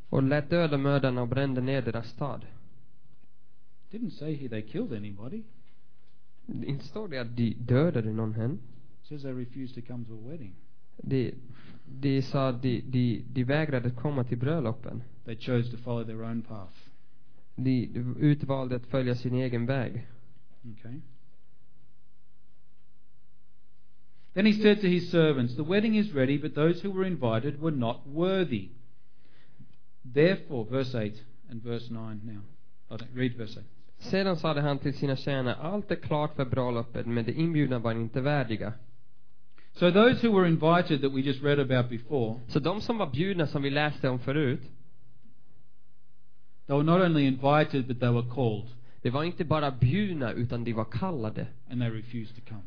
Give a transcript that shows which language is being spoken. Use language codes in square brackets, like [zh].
[sv] Och lät döda mördarna och brände ner deras stad. [en] Didn't say he they killed anybody. [sv] Inte står det att de dödade någon hen. [en] Says they refused to come to a wedding. [sv] De sa de vägrade att komma till bröllopen. [en] They chose to follow their own path. [sv] De utvalde att följa sin egen väg. [en] Okay. Then he said to his servants, the wedding is ready, but those who were invited were not worthy. Therefore, verse 8 and verse 9 now. Read verse 8. [sv] Sedan sade han till sina tjänare, allt är klart för bröllopet, men de inbjudna var inte värdiga. [en] So those who were invited that we just read about before. [sv] Så de som var bjudna som vi läste om förut. [en] They were not only invited, but they were called. [sv] De var inte bara bjudna, utan de var kallade. [en] And they refused to come.